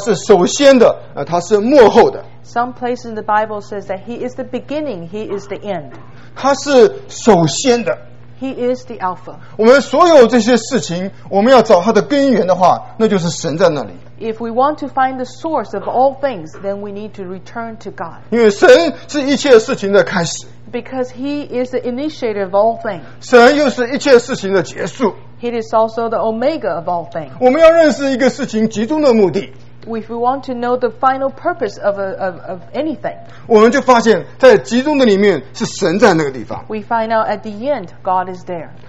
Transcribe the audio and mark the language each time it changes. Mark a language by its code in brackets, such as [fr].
[zh] 有的地方圣经就翻成他说他是首先的，他是末后的。 [en] Some places in the Bible says that he is the beginning, he is the end. [zh] 他是首先的。 [en] He is the Alpha. [zh] 我们所有这些事情，我们要找他的根源的话，那就是神在那里。 [en] If we want to find the source of all things, then we need to return to God. [zh] 因为神是一切事情的开始。 [en] Because he is the initiator of all things. [zh] 神又是一切事情的结束。 [en] He is also the omega of all things. [zh] 我们要认识一个事情集中的目的。 [en] If we want to know the final purpose of anything, [zh] 我们就发现在集中的里面是神在那个地方。 [en] We find out at the end, God is there.